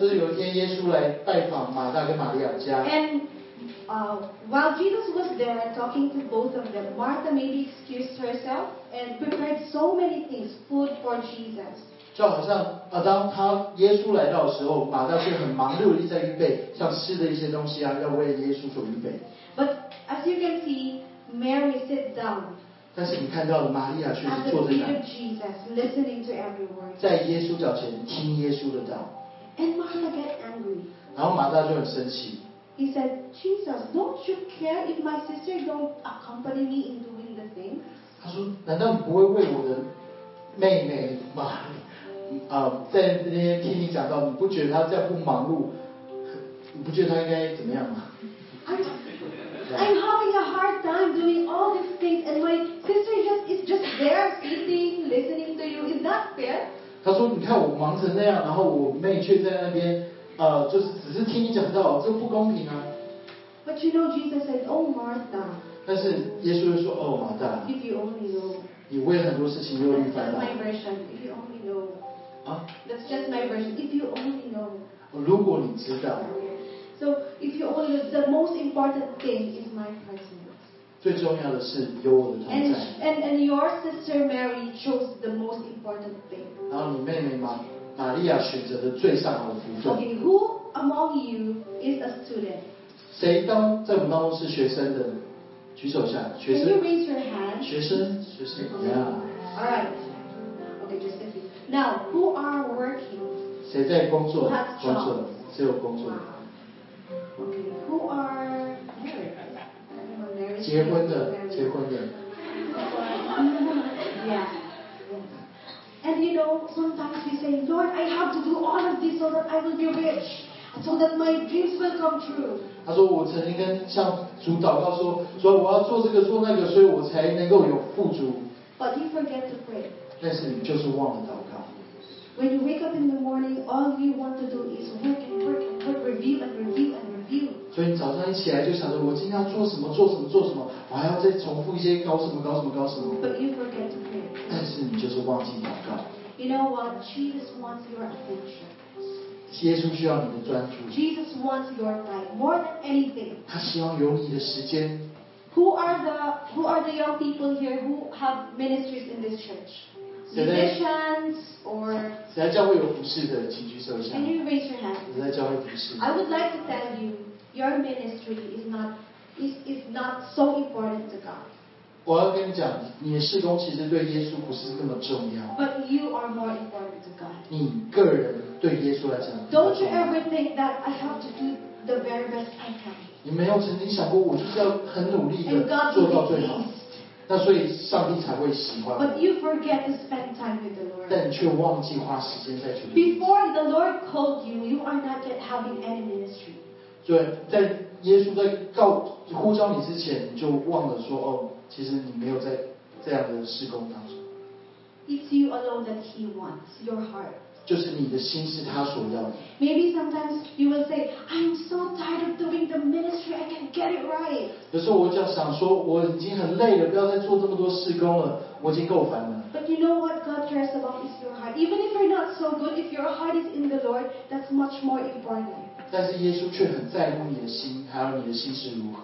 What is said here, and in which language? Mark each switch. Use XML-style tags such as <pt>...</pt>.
<zh>就是有一天耶稣来拜访马大跟玛利亚家。</zh> <en>And, while Jesus was there talking to both of them, Martha maybe excused herself and prepared so many things, food for Jesus.</en> <zh>就好像啊，当他耶稣来到的时候，马大却很忙碌地在预备，像吃的一些东西啊，要为耶稣所预备。</zh> <en>But as you can see, Mary sit down.</en> <zh>但是你看到了玛利亚却是坐在那</zh> <en>Jesus, listening to every word.</en> <zh>在耶稣脚前听耶稣的道</zh> <en>And Martha got angry.</en> <zh>然后马大就很生气</zh> <en>He said, Jesus, don't you care if my sister don't accompany me in doing seeing the things?</en> <zh>他说：“难道你不会为我的妹妹吗？在那天听你讲到，你不觉得她这样不忙碌，你不觉得她应该怎么样吗？”</zh> <en>I'm having a hard time doing all these things, and my sister is just there sitting, listening to you. Is that fair?</en> <zh>他说：“你看我忙成那样，然后我妹却在那边，就是只是听你讲到，这不公平啊。”</zh> <en>But you know, Jesus said, "Oh, Martha."</en> <zh>但是耶稣又说：“哦，马大。”</zh> <en>If you only know.</en> <zh>你为很多事情忧虑烦恼。</zh> <en>That's my version. If you only know. 啊？ That's just my version. If you only know.</en> <zh>如果你知道。</zh> <en>So if you only know, the most important thing is my presence.</en> <zh>最重要的是有我的同在。</zh> <en>And your sister Mary chose the most important thing.</en> <zh>然后你妹妹玛利亚选择的最上好的服装。</zh> <en>Okay, who among you is a student?</en> <zh>谁当在我们当中是学生的？举手一下，学生。</zh> <en>Can you raise your hand?</en> <zh>学生 ，Yeah.</zh> <en>All right. Okay, just a few. Now, who are working?</en> <zh>谁在工作？</zh> <en>Who has</en> <zh>工作，只有工作。</zh> <en>Wow. Okay, who are married?</en> <zh>结婚的，结婚的。</zh> <en>Yeah. And you know, sometimes we say, Lord, I have to do all of this so that I will be rich, so that my dreams will come true.</en> <zh>他说：“我曾经跟向主祷告说，说我要做这个做那个，所以我才能够有富足。</zh> <en>But you forget to pray.</en> <zh>但是你就是忘了祷告。</zh> <en>When you wake up in the morning, all you want to do is work and work and work, review and review and review.</en> <zh>所以你早上一起来就想着我今天要做什么做什么做什么，我还要再重复一些搞什么搞什么搞什么。</zh> <en>But you forget to pray.</en> <zh>但是你就是忘记祷告。</zh> <en>You know what? Jesus wants your attention.”</en> <zh>耶稣需要你的专注。</zh> <en>Jesus wants your time more than anything.</en> <zh>他希望有你的时间。</zh> <en>Who are the young people here who have ministries in this church? Musicians or?</en> <zh>谁在教会有服事的，请举手一下。</zh> <en>Can you raise your hand?</en> <zh>谁在教会服事？</zh> <en>I would like to tell you, your ministry is not so important to God.</en> <zh>我要跟你讲，你的事工其实对耶稣不是那么重要。</zh> <en>But you are more important to God.</en> <zh>你个人对耶稣来讲。</zh> <en>Don't you ever think that I have to do the very best I can?</en> <zh>你没有曾经想过，我就是要很努力的做到最好。那所以上帝才会喜欢。</zh> <en>But you forget to spend time with the Lord.</en> <zh>但你却忘记花时间在主。</zh> <en>Before the Lord called you, you are not yet having any ministry.</en> <zh>对，在耶稣在告呼召你之前，你就忘了说哦，其实你没有在这样的事工当中。</zh> <en>It's you alone that He wants your heart.</en> <zh>就是你的心是他所要的。</zh> <en>Maybe sometimes you will say, I'm so tired of doing the ministry. I can get it right.</en> <zh>有时候我就想说，我已经很累了，不要再做这么多事工了，我已经够烦了。</zh> <en>But you know what God cares about is your heart. Even if you're not so good, if your heart is in the Lord, that's much more important.</en> <zh>但是耶稣却很在乎你的心，还有你的心是如何。</zh>